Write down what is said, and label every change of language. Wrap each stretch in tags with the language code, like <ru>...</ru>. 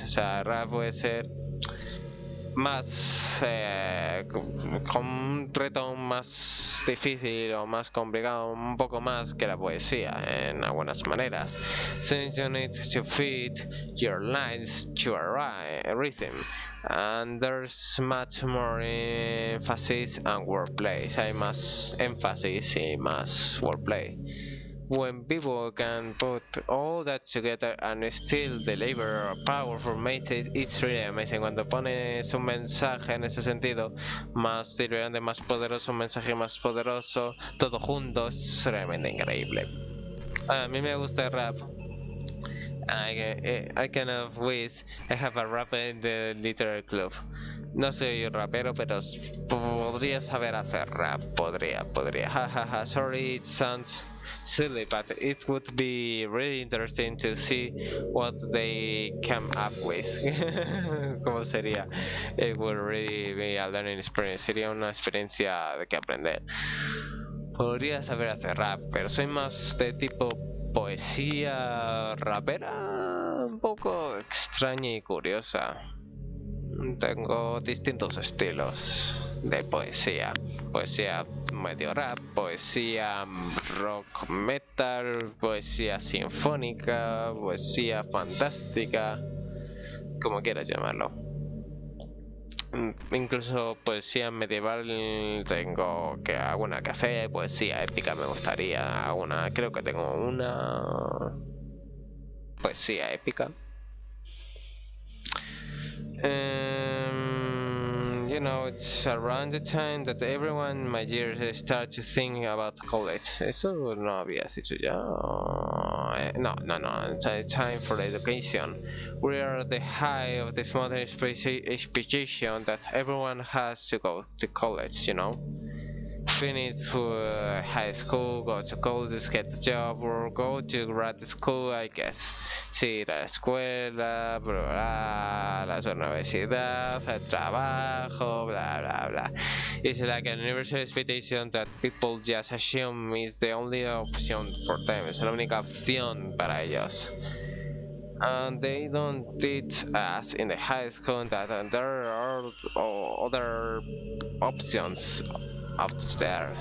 <es>O sea, rap puede ser más con un reto más difícil o más complicado, un poco más que la poesía en algunas maneras.</es> <en>Since you need to fit your lines to a rhythm. And there's much more emphasis and wordplay.</en> <es>Hay más énfasis y más wordplay.</es> <en>When people can put all that together and still deliver a powerful message, it's really amazing.</en> <es>Cuando pones un mensaje en ese sentido, más diferente, más poderoso, un mensaje más poderoso, todo junto, es realmente increíble. A mí me gusta el rap. I kind of wish I have a rapper in the literary club. No soy un rapero, pero podría saber hacer rap. Podría. Ha ha ha.</es> <en>Sorry, it sounds silly, but it would be really interesting to see what they come up with.</en> <es>¿Cómo sería?</es> <en>It would really be a learning experience.</en> <es>Sería una experiencia de que aprender. Podría saber hacer rap, pero soy más de tipo poesía rapera, un poco extraña y curiosa. Tengo distintos estilos de poesía. Poesía medio rap, poesía rock metal, poesía sinfónica, poesía fantástica, como quieras llamarlo. Incluso poesía medieval tengo que alguna que hacer, poesía épica me gustaría, alguna, creo que tengo una poesía épica.</es> <en>You know, it's around the time that everyone my year starts to think about college.</en> <es>Eso no había dicho ya. No.</es> <en>It's time for education. We are the high of this modern expectation that everyone has to go to college, you know? finish high school, go to college, get a job, or go to grad school, I guess.</en> <es>Sí, la escuela, bla, la universidad, el trabajo, bla, bla, bla.</es> <en>It's like a universal expectation that people just assume is the only option for them.</en> <es>Es la única opción para ellos.</es> <en>And they don't teach us in the high school that there are other options out there.</en>